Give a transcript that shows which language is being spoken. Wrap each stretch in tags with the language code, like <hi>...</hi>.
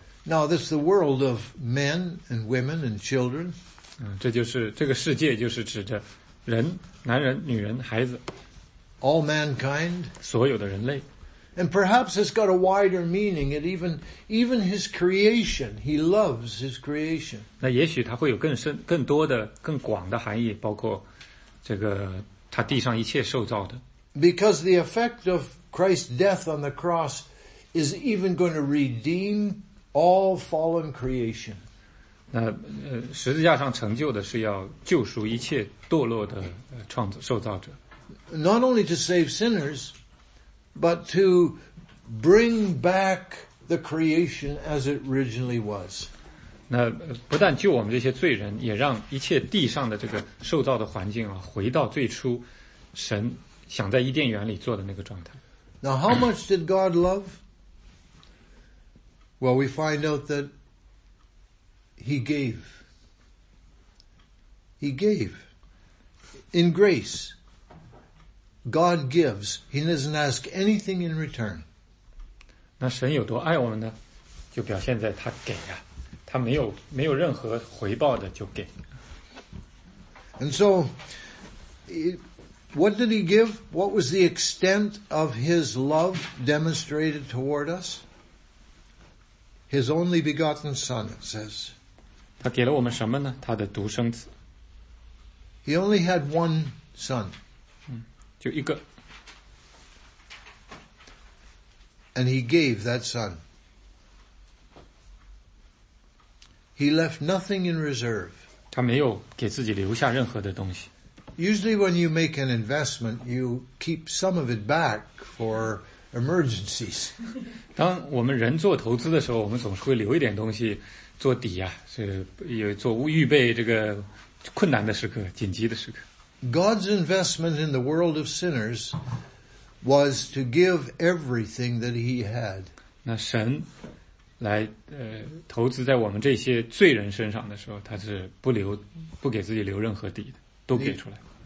<en>Now, this is the world of men and women and children.</en> <zh>这就是这个世界，就是指着人，男人、女人、孩子。</zh> <en>All mankind.</en> <zh>所有的人类。</zh> <en>And perhaps it's got a wider meaning. It even his creation, he loves his creation.</en> <zh>那也许他会有更深、更多的、更广的含义，包括这个他地上一切受造的。</zh> <en>Because the effect of Christ's death on the cross is even going to redeem all fallen creation.</en> <zh>那十字架上成就的是要救赎一切堕落的创造受造者。</zh> <en>Not only to save sinners. But to bring back the creation as it originally was.</en> <zh>那不但救我们这些罪人，也让一切地上的这个受造的环境啊，回到最初神想在伊甸园里做的那个状态。</zh> <en>Now, how much did God love? Well, we find out that He gave. He gave in grace. God gives. He doesn't ask anything in return.</en> <zh>那神有多爱我们呢？就表现在他给啊，他没有任何回报的就给。</zh> <en>And so, what did he give? What was the extent of his love demonstrated toward us? His only begotten son, it says.</en> <zh>他给了我们什么呢？他的独生子。</zh> <en>He only had one son.</en> <zh>就一个</zh> <en>And he gave that son. He left nothing in reserve.</en> <zh>他没有给自己留下任何的东西。</zh> <en>Usually when you make an investment, you keep some of it back for emergencies.</en> <zh>当我们人做投资的时候，我们总是会留一点东西做底啊，是有做预备这个困难的时刻，紧急的时刻。</zh> <en>God's investment in the world of sinners was to give everything that he had.</en> <zh>那神来投资在我们这些罪人身上的时候，他是不给自己留任何底的，都给出来。</zh>